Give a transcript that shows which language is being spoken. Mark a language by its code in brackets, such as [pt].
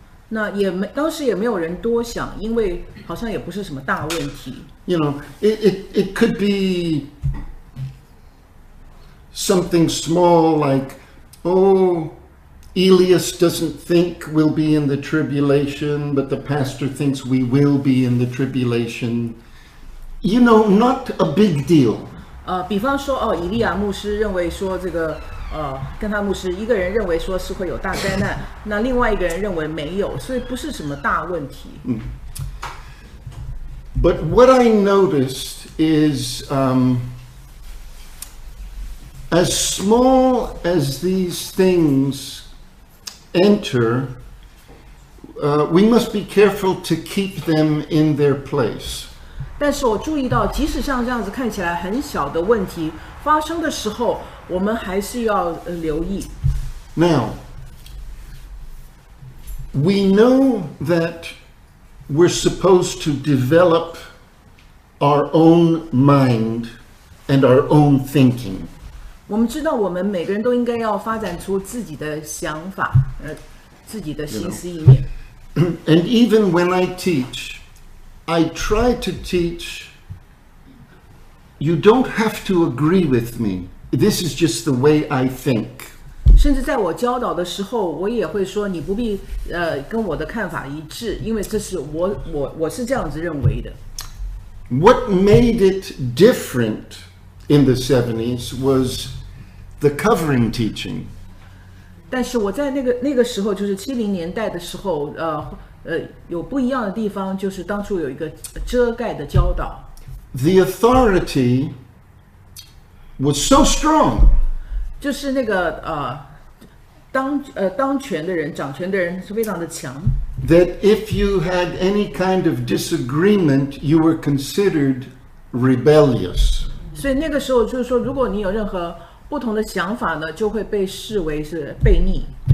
[zh] 那也没，当时也没有人多想，因为好像也不是什么大问题。 [en] You know, it could be something small like, oh, Elias doesn't think we'll be in the tribulation, but the pastor thinks we will be in the tribulation. You know, not a big deal. [zh] 比方说哦，以利亚牧师认为说这个跟他牧师一个人认为说是会有大灾难，那另外一个人认为没有，所以不是什么大问题。嗯。 [en] But what I noticed is, as small as these things enter, we must be careful to keep them in their place. [zh] 但是我注意到，即使像这样子看起来很小的问题发生的时候，我们还是要留意。 [en] Now, we know that we're supposed to develop our own mind and our own thinking. [zh] 我们知道我们每个人都应该要发展出自己的想法，自己的心思意念。 [en] And even when I teach, I try to teach, you don't have to agree with me. This is just the way I think. [zh] 甚至在我教导的时候，我也会说你不必跟我的看法一致，因为这是我是这样子认为的。 [en] What made it different in the 70s was the covering teaching. [zh] 但是我在那个时候，就是70年代的时候，有不一样的地方，就是当初有一个遮盖的教导。 [en] The authority was so strong. [zh] 就是那个当权的人，掌权的人是非常的强。 [en] That if you had any kind of disagreement, you were considered rebellious. [zh] 所以那个时候就是说，如果你有任何不同的想法呢，就会被视为是悖逆。